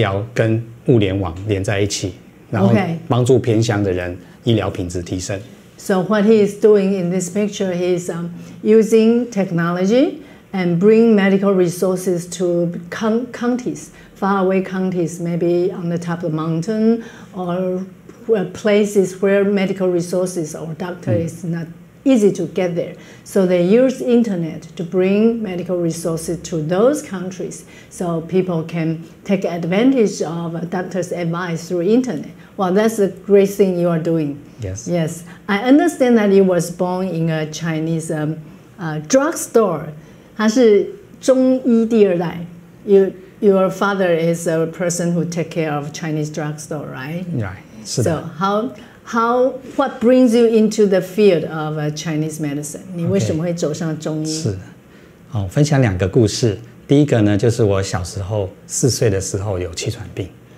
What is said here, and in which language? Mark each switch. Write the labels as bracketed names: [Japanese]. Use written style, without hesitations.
[Chinese] 我在做医疗跟物联网连在一起。然后帮助偏乡的人医疗品质提升。 [English] So what he is doing in this picture, he is using technology and bring medical resources to counties, far away counties, maybe on the top of the mountain or places where medical resources or doctor is not easy to get there. So they use internet to bring medical resources to those countries so people can take advantage of a doctor's advice through internet. Well, that's a great thing you are doing. Yes. Yes. I understand that you was born in a Chinese drugstore. [Chinese] 他是中医第二代. [English] Your father is a person who take care of Chinese drugstore, right? Right. [Chinese] 是的. [English] So what brings you into the field of Chinese medicine? [Chinese] 你为什么会走上中医? Okay. 是的.好, 分享两个故事. 第一个呢, 就是我小时候, 4岁的时候, 有气喘病.